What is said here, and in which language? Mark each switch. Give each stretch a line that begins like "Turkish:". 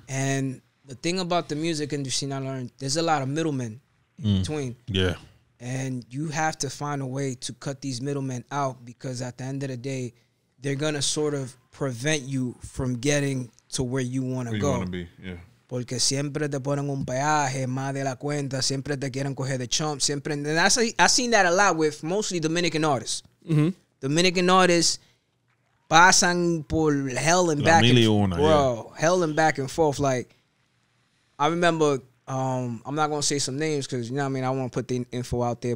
English: And the thing about the music industry I learned, there's a lot of middlemen in between. Yeah. And you have to find a way to cut these middlemen out because at the end of the day, they're going to sort of prevent you from getting to where you want to go. Where you want to be, yeah.
Spanish: Porque siempre te ponen un peaje más de la cuenta, siempre te quieren coger de chump, siempre.
English: And I've seen that a lot with mostly Dominican artists. Mm-hmm. Dominican artists
Spanish: pasan por
English: hell and
Spanish: la
English: back
Spanish: mil y
English: and
Spanish: una,
English: bro, yeah. Hell and back and forth. Like, I remember, I'm not going to say some names because, you know what I mean, I want to put the info out there.